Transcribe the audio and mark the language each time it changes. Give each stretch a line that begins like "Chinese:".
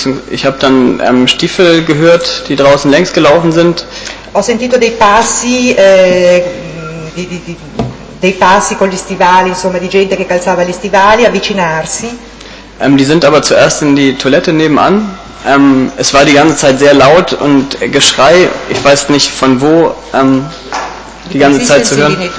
German: Ich habe dann Stiefel gehört, die draußen längs gelaufen sind.
Italian: Ho sentito dei passi dei passi con gli stivali, insomma, di gente che calzava gli stivali, avvicinarsi.
German: Die sind aber zuerst in die Toilette nebenan. Es war die ganze Zeit sehr laut und Geschrei, ich weiß nicht von wo, die ganze Zeit zu hören.